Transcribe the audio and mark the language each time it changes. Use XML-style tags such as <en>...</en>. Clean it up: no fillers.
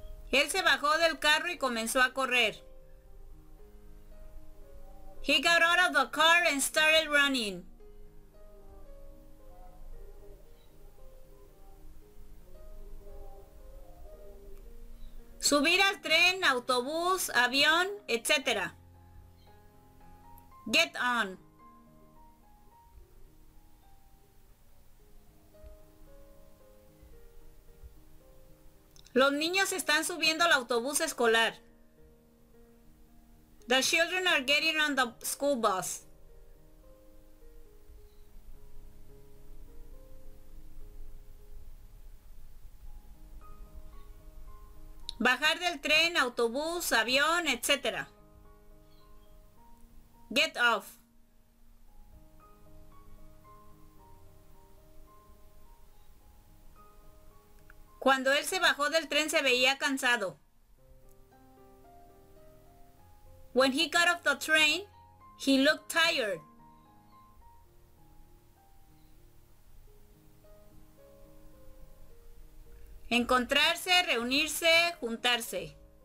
<es>Él se bajó del carro y comenzó a correr.</es> <en>He got out of the car and started running.</en> <es>Subir al tren, autobús, avión, etc.</es> <en>Get on.</en> <es>Los niños están subiendo al autobús escolar.</es> <en>The children are getting on the school bus.</en> <es>Bajar del tren, autobús, avión, etc.</es> <en>Get off.</en> <es>Cuando él se bajó del tren se veía cansado.</es> <en>When he got off the train, he looked tired.</en> <es>Encontrarse, reunirse, juntarse.</es>